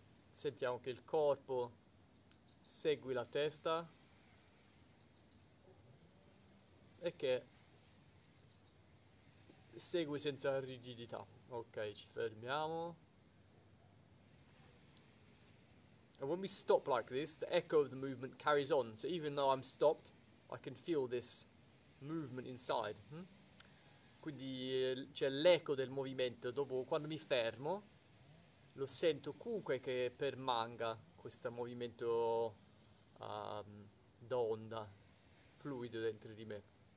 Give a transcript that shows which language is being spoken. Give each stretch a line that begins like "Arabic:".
Italian: Sentiamo che il corpo segui la testa e che segue senza rigidità. Ok, ci fermiamo.
English: And when we stop like this, the echo of the movement carries on. So even though I'm stopped, I can feel this movement inside.
Italian: Quindi c'è l'eco del movimento. Dopo, quando mi fermo, lo sento comunque che permanga questo movimento d'onda, fluido dentro di me.